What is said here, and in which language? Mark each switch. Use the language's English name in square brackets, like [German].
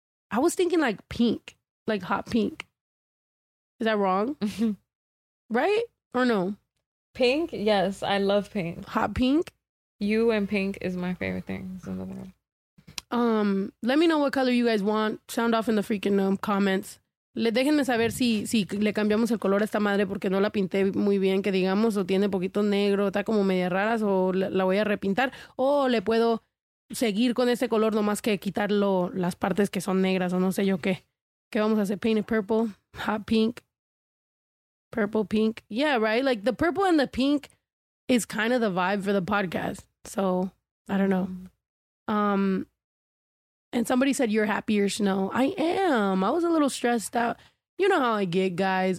[English] I was thinking like pink, like hot pink. Is that wrong? Right? Or no? Pink? Yes. I love pink. Hot pink? You and pink is my favorite things in the world. Let me know what color you guys want. Sound off in the freaking comments. [Spanish] Le déjenme saber si le cambiamos el color a esta madre porque no la pinté muy bien, que digamos, o tiene poquito negro, está como media raras, o la voy a repintar, o le puedo seguir con este color nomás que quitarlo las partes que son negras o no sé yo qué. ¿Qué vamos a hacer? [English] Paint it purple, hot pink, purple pink. Yeah, right? Like the purple and the pink is kind of the vibe for the podcast. So, I don't know. And somebody said, you're happier, Snow. I am. I was a little stressed out. You know how I get, guys.